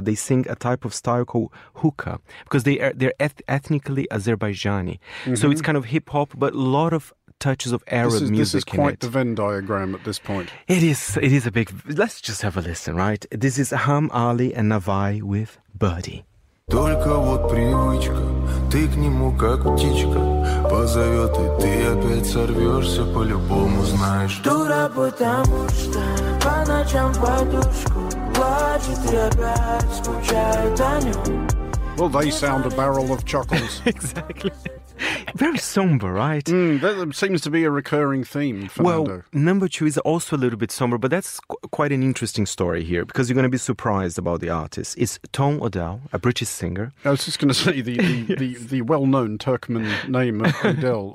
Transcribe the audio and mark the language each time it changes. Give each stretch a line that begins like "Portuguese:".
English: They sing a type of style called hookah, because they're ethnically Azerbaijani. Mm-hmm. So it's kind of hip-hop, but a lot of touches of Arab music in it. This is quite the Venn diagram at this point. It is. It is a big... Let's just have a listen, right? This is Ham Ali and Navai with Birdie.
Russian: Только вот привычка, ты к нему как птичка, позовет, и ты опять сорвешься, по-любому знаешь. Дура, потому что по ночам подушку плачет, и опять скучает о нем.
English: Well, they sound a barrel of chuckles. Exactly. Very somber, right? Mm, that seems to be a recurring theme, Fernando. Well, number two is also a little bit somber, but that's quite an interesting story here, because you're going to be surprised about the artist. It's Tom Odell, a British singer. I was just going to say, the the well-known Turkmen name of Odell.